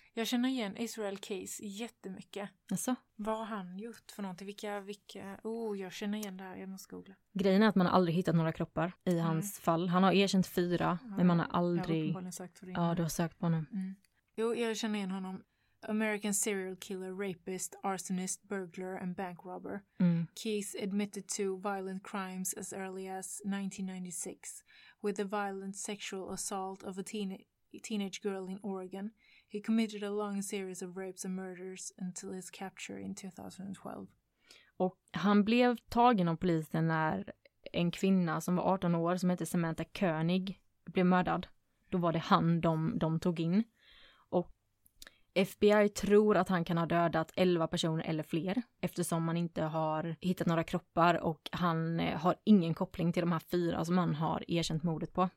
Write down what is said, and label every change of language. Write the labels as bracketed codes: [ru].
[sv] Jag känner igen Israel Keyes jättemycket. Asså? Vad har han gjort för någonting? Vilka... Oh, jag känner igen det här. Jag måste googla. Grejen är att man har aldrig hittat några kroppar i hans fall. Han har erkänt 4, men man har aldrig... Jag har uppenbarligen sökt för det. Ja, du har sökt på honom. Jo, jag känner igen honom. [en] American serial killer, rapist, arsonist, burglar and bank robber. Keyes admitted to violent crimes as early as 1996. With a violent sexual assault of a teenage girl in Oregon, he committed a long series of rapes and murders until his capture in 2012. [sv] Och han blev tagen av polisen när en kvinna som var 18 år, som hette Samantha König, blev mördad. Då var det han de tog in. Och FBI tror att han kan ha dödat 11 personer eller fler, eftersom man inte har hittat några kroppar och han har ingen koppling till de här 4 som han har erkänt mordet på.